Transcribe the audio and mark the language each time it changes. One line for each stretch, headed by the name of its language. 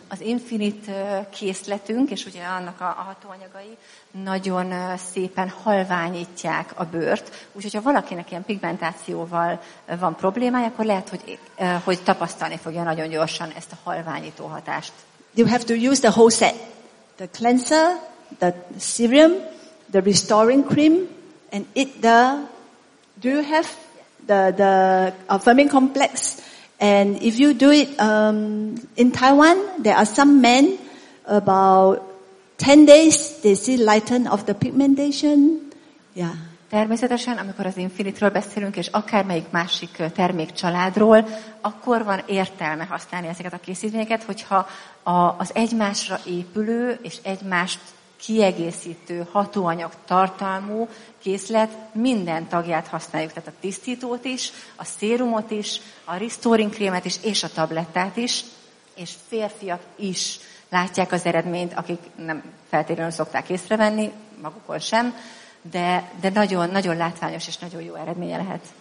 Hungarian: Az Infinite készletünk, és ugye annak a hatóanyagai nagyon szépen halványítják a bőrt. Úgyhogy ha valakinek ilyen pigmentációval van problémája, akkor lehet, hogy tapasztalni fogja nagyon gyorsan ezt a halványító hatást.
English: You have to use the whole set. The cleanser, the serum, the restoring cream, and do you have the affirming complex? And if you do it in Taiwan, there are some men about 10 days they see lighten of the pigmentation. Yeah.
Hungarian: Természetesen, amikor az Infinite-ről beszélünk, és akármelyik másik termékcsaládról, akkor van értelme használni ezeket a készítményeket, hogyha az egymásra épülő és egymást kiegészítő hatóanyag tartalmú készlet minden tagját használjuk, tehát a tisztítót is, a szérumot is, a restoring krémet is, és a tablettát is, és férfiak is látják az eredményt, akik nem feltétlenül szokták észrevenni, magukon sem, de nagyon, nagyon látványos és nagyon jó eredménye lehet.